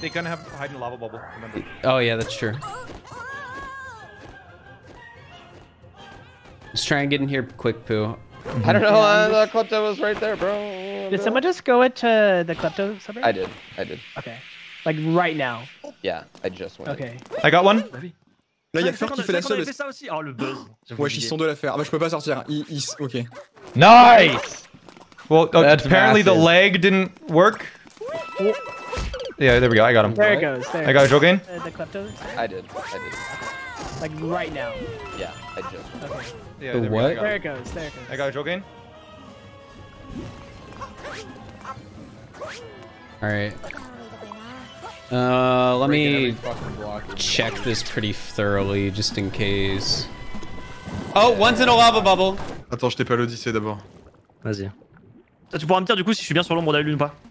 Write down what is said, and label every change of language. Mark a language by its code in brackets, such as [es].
[en] They kind of have hide in lava bubble, remember? Oh, yeah, that's true. Just try and get in here quick, Poo. I don't know. I thought Klepto was right there, bro. Did someone just go into the Klepto subreddit? I did. Okay. Like right now. Yeah, I just went. Okay. I got one. [fr] Là, il y a Fleur qui fait la seule. Oh, le buzz. Wesh, ils sont deux à faire. Ah, bah, je peux pas sortir. [en] Ok. Nice! Well, apparently the leg didn't work. Yeah, there we go. I got him. There it goes. There I got a joke in. The Klepto? I did. Like right now. Yeah, I just. Okay. Yeah, the what? There it goes. I got a joke in. Alright. Let me check this pretty thoroughly just in case. Oh, one's in a lava bubble. [fr] Attends, je t'ai pas l'Odyssée d'abord. Vas-y. Tu pourras me dire du coup si je suis bien sur l'ombre de la lune ou pas.